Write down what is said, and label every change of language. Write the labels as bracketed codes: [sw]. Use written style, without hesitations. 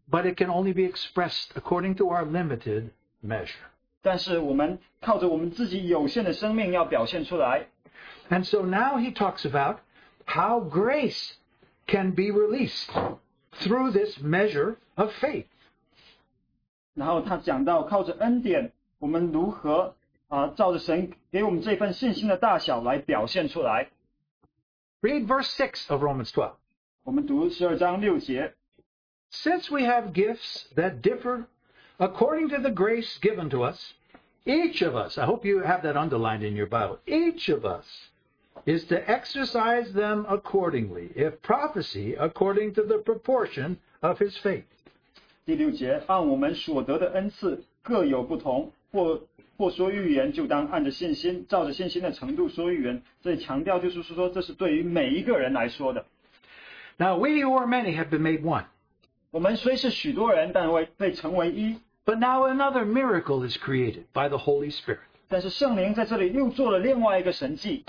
[en] But it can only be expressed according to our limited measure. [zh] 但是我们靠着我们自己有限的生命要表现出来。 [en] And so now he talks about how grace can be released through this measure of faith. [zh] 然后他讲到靠着恩典,我们如何, 照着神给我们这份信心的大小来表现出来。 [en] Read verse 6 of Romans 12. [zh] 我们读12章6节。 [en] Since we have gifts that differ according to the grace given to us, each of us, I hope you have that underlined in your Bible, each of us is to exercise them accordingly, if prophecy, according to the proportion of his faith. [zh] 第六节, 按我们所得的恩赐, 各有不同, 或说预言, 就当按着信心, 照着信心的程度说预言, 这里强调就是说, 这是对于每一个人来说的。 [en] Now we who are many have been made one. [zh] 我们虽是许多人, 但被成为一, [en] but now another miracle is created by the Holy Spirit. [zh] 但是圣灵在这里又做了另外一个神迹。